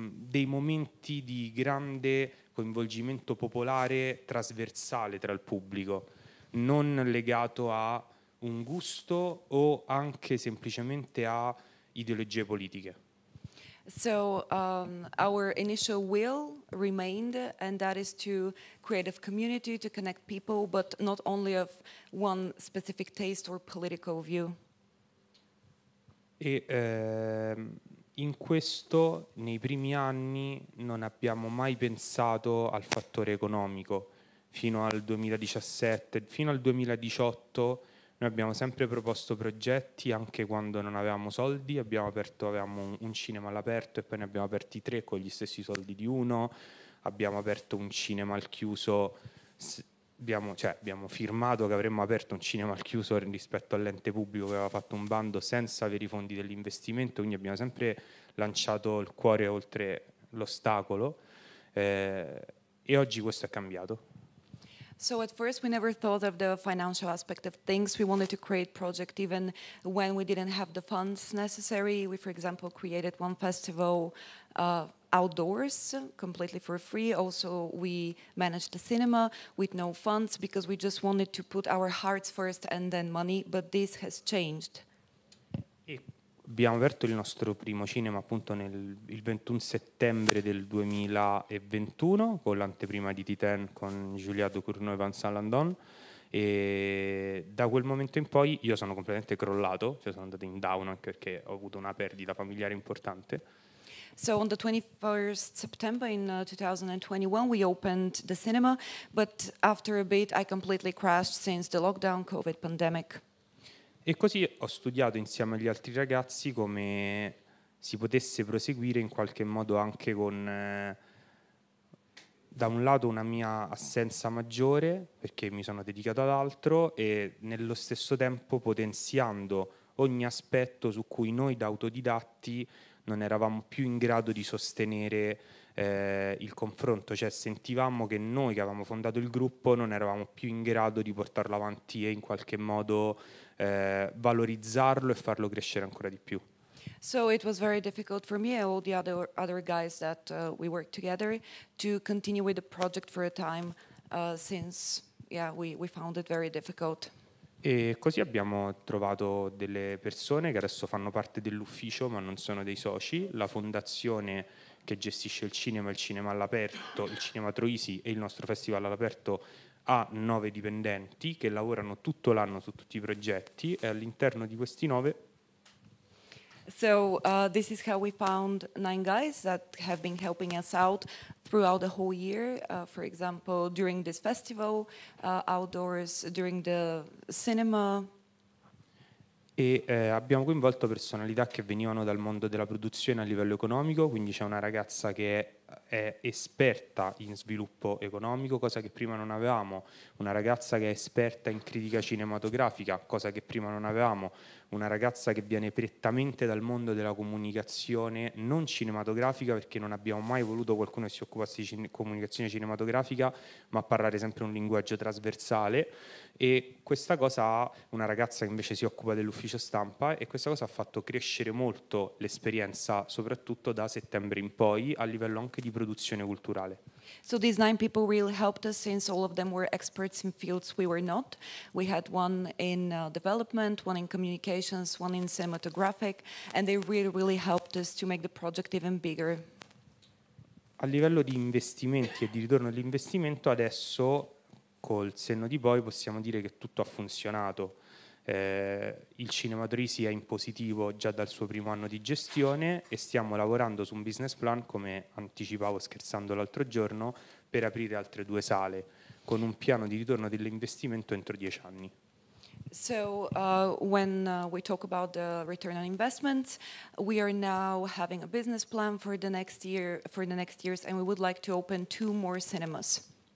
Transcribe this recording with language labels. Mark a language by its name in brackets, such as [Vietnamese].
[Italian] dei momenti di grande coinvolgimento popolare trasversale tra il pubblico, non legato a un gusto o anche semplicemente a ideologie politiche. [English] So our initial will remained, and that is to create a community to connect people, but not only of one specific taste or political view. [Italian] E in questo, nei primi anni, non abbiamo mai pensato al fattore economico. Fino al 2017, fino al 2018, noi abbiamo sempre proposto progetti, anche quando non avevamo soldi, avevamo un cinema all'aperto e poi ne abbiamo aperti tre con gli stessi soldi di uno, abbiamo aperto un cinema al chiuso, abbiamo firmato che avremmo aperto un cinema al chiuso rispetto all'ente pubblico che aveva fatto un bando senza avere i fondi dell'investimento, quindi abbiamo sempre lanciato il cuore oltre l'ostacolo, e oggi questo è cambiato. [English] So at first we never thought of the financial aspect of things. We wanted to create project even when we didn't have the funds necessary. We, for example, created one festival outdoors completely for free. Also, we managed the cinema with no funds because we just wanted to put our hearts first and then money. But this has changed. [Italian] Abbiamo aperto il nostro primo cinema appunto il 21 settembre del 2021 con l'anteprima di Titan con Julia Ducournau e Vincent Landon, e da quel momento in poi io sono completamente crollato, cioè sono andato in down anche perché ho avuto una perdita familiare importante. [English] So on the 21st September in 2021 we opened the cinema, but after a bit I completely crashed since the lockdown, COVID pandemic. [Italian] E così ho studiato insieme agli altri ragazzi come si potesse proseguire in qualche modo anche con, da un lato, una mia assenza maggiore, perché mi sono dedicato ad altro, e nello stesso tempo potenziando ogni aspetto su cui noi da autodidatti non eravamo più in grado di sostenere il confronto, cioè sentivamo che noi che avevamo fondato il gruppo non eravamo più in grado di portarlo avanti e in qualche modo valorizzarlo e farlo crescere ancora di più. [English] So it was very difficult for me and all the other guys that we worked together to continue with the project for a time since we found it very difficult. [Italian] E così abbiamo trovato delle persone che adesso fanno parte dell'ufficio ma non sono dei soci, la fondazione che gestisce il cinema all'aperto, il Cinema Troisi e il nostro festival all'aperto ha 9 dipendenti che lavorano tutto l'anno su tutti i progetti, e all'interno di questi 9. [English] So this is how we found 9 guys that have been helping us out throughout the whole year, for example during this festival, outdoors, during the cinema. [Italian] E abbiamo coinvolto personalità che venivano dal mondo della produzione a livello economico, quindi c'è una ragazza che è esperta in sviluppo economico, cosa che prima non avevamo, una ragazza che è esperta in critica cinematografica, cosa che prima non avevamo, una ragazza che viene prettamente dal mondo della comunicazione non cinematografica, perché non abbiamo mai voluto qualcuno che si occupasse di comunicazione cinematografica, ma parlare sempre un linguaggio trasversale, e questa cosa ha una ragazza che invece si occupa dell'ufficio stampa, e questa cosa ha fatto crescere molto l'esperienza, soprattutto da settembre in poi, a livello anche di produzione culturale. [English] So these 9 people really helped us since all of them were experts in fields we were not. We had one in development, one in communications, one in cinematographic, and they really, really helped us to make the project even bigger. [Italian] A livello di investimenti e di ritorno all'investimento, adesso col senno di poi possiamo dire che tutto ha funzionato. Il Cinema Troisi è in positivo già dal suo primo anno di gestione e stiamo lavorando su un business plan, come anticipavo scherzando l'altro giorno, per aprire altre 2 sale con un piano di ritorno dell'investimento entro 10 anni. [English] So when we talk about the return on investments, we are now having a business plan for the next year, for the next years, and we would like to open 2 more cinemas.